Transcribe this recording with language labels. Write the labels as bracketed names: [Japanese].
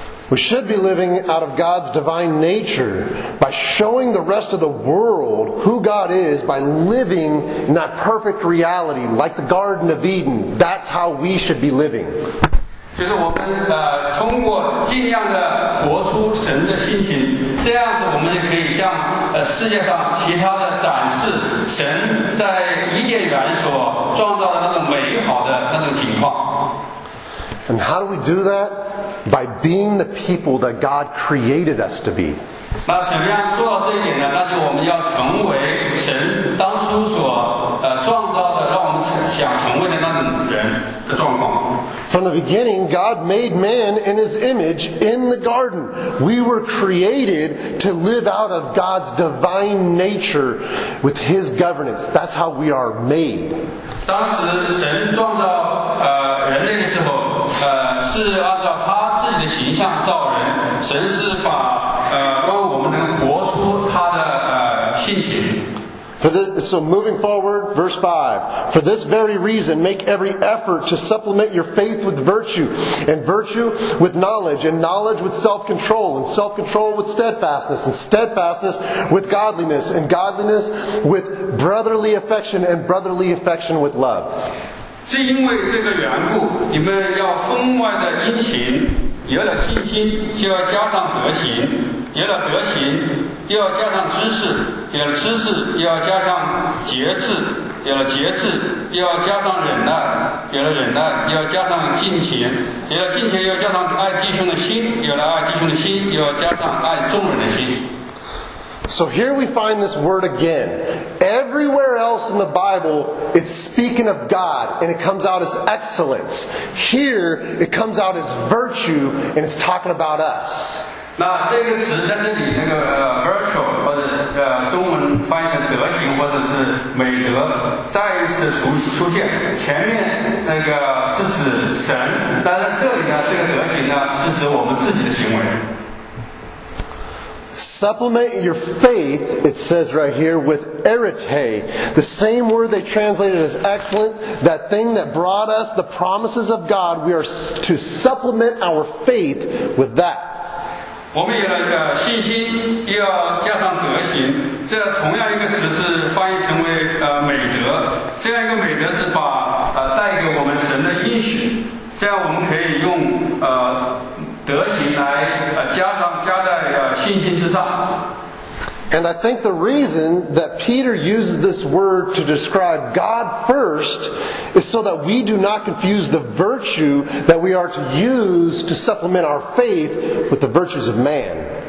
[English] We should be living out of God's divine nature by showing the rest of the world who God is by living in that perfect reality, like the Garden of Eden. That's how we should be living. [Chinese] 就是我们通过尽量的活出神的性情，这样子我们就可以向世界上其他的展示神在伊甸园所创造的那种美好的那种情况。 [English] And how do we do that? By being the people that God created us to be. [Chinese] 那怎么样做到这一点呢？那就我们要成为神当初所创造的，让我们想成为的那种人的状况。 [English] From the beginning, God made man in his image in the garden. We were created to live out of God's divine nature with his governance. That's how we are made. [Chinese] 当时神创造人类的时候，是按照他自己的形象造人，神是把我们能活出他的信心。 [English] For this, so moving forward, verse 5. For this very reason, make every effort to supplement your faith with virtue, and virtue with knowledge, and knowledge with self-control, and self-control with steadfastness, and steadfastness with godliness, and godliness with brotherly affection, and brotherly affection with love. [Chinese] 是因为这个缘故，你们要分外的殷勤，有了信心，就要加上德行。有了德行，又要加上知识；有了知识，又要加上节制；有了节制，又要加上忍耐；有了忍耐，又要加上敬虔；有了敬虔，又要加上爱弟兄的心；有了爱弟兄的心，又要加上爱众人的心。 [English] So here we find this word again. Everywhere else in the Bible, it's speaking of God, and it comes out as excellence. Here, it comes out as virtue, and it's talking about us. [Chinese] 那这个词在这里那个virtue 或者中文翻译成德行或者是美德再一次的出现前面那个是指神但是这里呢这个德行呢是指我们自己的行为 [English] Supplement your faith, it says right here, with erite. The same word they translated as excellent, that thing that brought us the promises of God, we are to supplement our faith with that. [Chinese] 我们有了一个信心，又要加上德行，这同样一个词是翻译成为美德。这样一个美德是把带给我们神的应许，这样我们可以用德行来加在信心之上。 [English] And I think the reason that Peter uses this word to describe God first is so that we do not confuse the virtue that we are to use to supplement our faith with the virtues of man.